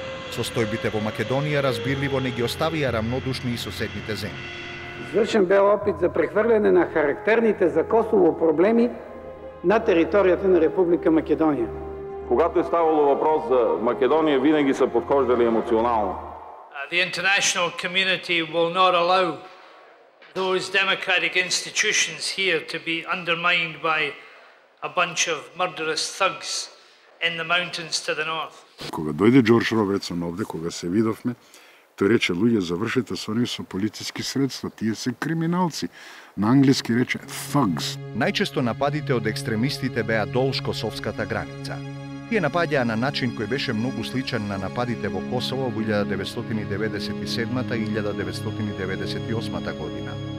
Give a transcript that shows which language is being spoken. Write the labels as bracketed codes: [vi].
[mk] Состојбите во Македонија разбирливо не ги оставија рамнодушни и соседните земји. [bg] Извршен бе опит за прехврлене на характерните за Косово проблеми на територијата на Република Македонија. Когато е ставало въпрос за Македонија, винаги се подхождали емоционално. [en] The international community will not allow those democratic institutions here to be undermined by a bunch of murderous thugs in the mountains to the north. [mk] Кога дојде Джордж Робертсон овде, кога се видовме, тој рече, луѓе, завршете со нив со полициски средства, тие се криминалци. На англиски рече, thugs. Најчесто нападите од екстремистите беа долж косовската граница. Тие нападаа на начин кој беше многу сличен на нападите во Косово во 1997-та и 1998-та година.